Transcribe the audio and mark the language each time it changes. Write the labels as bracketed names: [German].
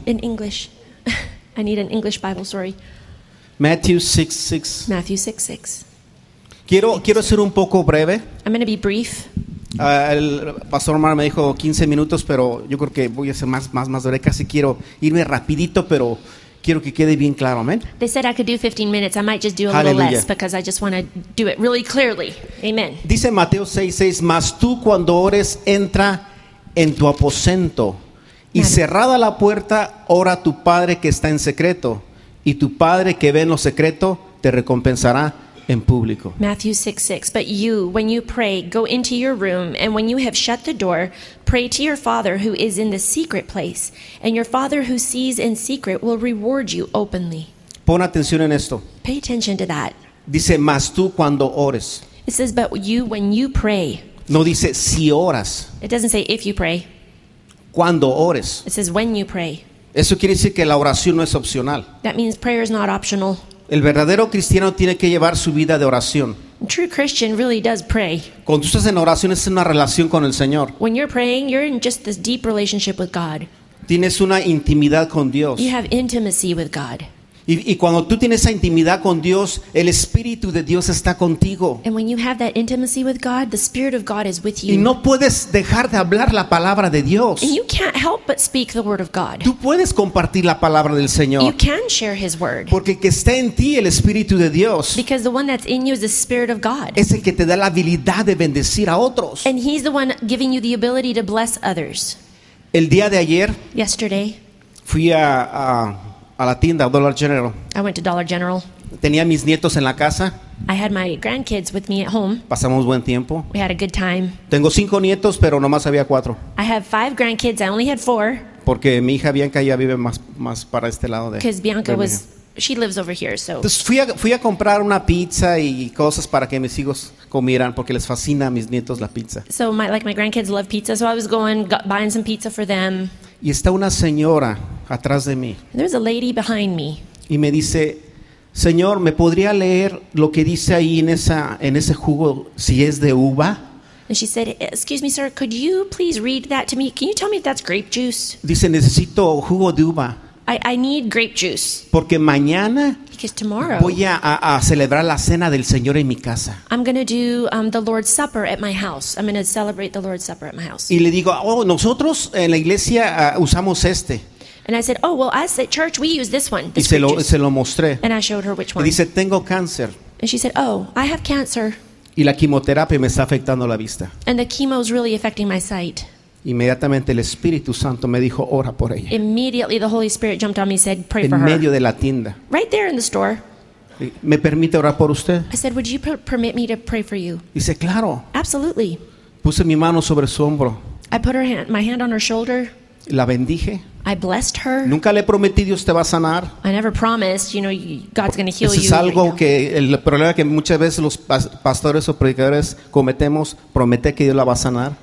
[English] In English. I need an English Bible, sorry. Matthew 6:6. Matthew 6:6. [Spanish] Quiero ser un poco breve. [English] I'm going to be brief. [Spanish] El pastor Omar me dijo 15 minutos, pero yo creo que voy a ser más breve. Casi quiero irme rapidito, pero quiero que quede bien claro, amén. [English] They said I could do 15 minutes. I might just do a little less because I just want to do it really clearly. Amen. [Spanish] Dice Mateo 6:6, mas tú cuando ores, entra en tu aposento y cerrada la puerta, ora a tu padre que está en secreto, y tu padre que ve en lo secreto te recompensará. En público. [English] Matthew 6:6. But you, when you pray, go into your room, and when you have shut the door, pray to your Father who is in the secret place, and your Father who sees in secret will reward you openly. [Spanish] Pon atención en esto. [English] Pay attention to that. [Spanish] Dice, mas tú cuando ores. [English] It says, but you, when you pray. [Spanish] No dice, si oras. [English] It doesn't say, if you pray. [Spanish] Cuando ores. [English] It says, when you pray. [Spanish] Eso quiere decir que la oración no es opcional. [English] That means prayer is not optional. [Spanish] El verdadero cristiano tiene que llevar su vida de oración. [English] True Christian really does pray. [Spanish] Cuando tú estás en oración, es una relación con el Señor. [English] When you're praying, you're in just this deep relationship with God. [Spanish] Tienes una intimidad con Dios. [English] You have intimacy with God. [Spanish] Y cuando tú tienes esa intimidad con Dios, el Espíritu de Dios está contigo. [English] And when you have that intimacy with God, the Spirit of God is with you. [Spanish] Y no puedes dejar de hablar la palabra de Dios. [English] And you can't help but speak the word of God. [Spanish] Tú puedes compartir la palabra del Señor. [English] You can share His word. [Spanish] Porque el que está en ti, el Espíritu de Dios. [English] Because the one that's in you is the Spirit of God. [Spanish] Es el que te da la habilidad de bendecir a otros. [English] And He's the one giving you the ability to bless others. [Spanish] El día de ayer. [English] Yesterday. [Spanish] Fui a la tienda, a Dollar General. [English] I went to Dollar General. [Spanish] Tenía mis nietos en la casa. [English] I had my grandkids with me at home. [Spanish] Pasamos buen tiempo. [English] We had a good time. [Spanish] Tengo cinco nietos, pero nomás había cuatro. [English] I have five grandkids, I only had four. [Spanish] Porque mi hija Bianca ya vive más para este lado de. [English] Because Bianca was, she lives over here, so. [Spanish] Entonces fui a comprar una pizza y cosas para que mis hijos comieran, porque les fascina a mis nietos la pizza. [English] So my grandkids love pizza, so I was going buying some pizza for them. [Spanish] Y está una señora atrás de mí. [English] There's a lady behind me. [Spanish] Y me dice, señor, ¿me podría leer lo que dice ahí en ese jugo si es de uva? [English] And she said, excuse me, sir, could you please read that to me? Can you tell me if that's grape juice? [Spanish] Dice, necesito jugo de uva. [English] I need grape juice. [Spanish] Porque mañana. [English] Because tomorrow. [Spanish] Voy a celebrar la cena del Señor en mi casa. [English] I'm going to do the Lord's Supper at my house. I'm going to celebrate the Lord's Supper at my house. [Spanish] Y le digo, oh, nosotros en la iglesia usamos este. [English] And I said, oh, well, us at church, we use this one. This [Spanish] y se lo mostré. [English] And I showed her which one. [Spanish] Y dice, tengo cáncer. [English] And she said, oh, I have cancer. [Spanish] Y la quimioterapia me está afectando la vista. [English] And the chemo is really affecting my sight. [Spanish] Inmediatamente el Espíritu Santo me dijo, ora por ella. [English] Immediately the Holy Spirit jumped on me and said, pray for her. [Spanish] En medio de la tienda. [English] Right there in the store. [Spanish] ¿Me permite orar por usted? [English] I said, would you permit me to pray for you? [Spanish] Dice, claro. [English] Absolutely. [Spanish] Puse mi mano sobre su hombro. [English] I put my hand on her shoulder. [Spanish] La bendije. [English] I blessed her. [Spanish] Nunca le prometí, Dios te va a sanar. [English] I never promised, you know, God's going to heal you. [Spanish] Es algo que el problema que muchas veces los pastores o predicadores cometemos, promete que Dios la va a sanar.